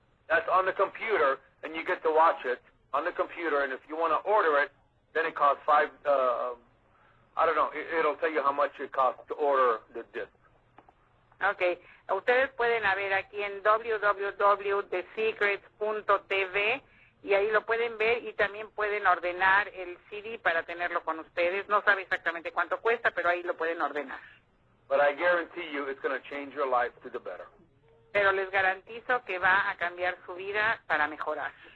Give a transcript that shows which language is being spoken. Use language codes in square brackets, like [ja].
[en] That's on the computer, and you get to watch it on the computer. And if you want to order it, then it costs it'll tell you how much it costs to order the disc. Okay. [es] Ustedes pueden ver aquí en www.thesecret.tv y ahí lo pueden ver, y también pueden ordenar el CD para tenerlo con ustedes. No sabe exactamente cuánto cuesta, pero ahí lo pueden ordenar. [en] But I guarantee you it's going to change your life to the better. [es] Pero les garantizo que va a cambiar su vida para mejorar.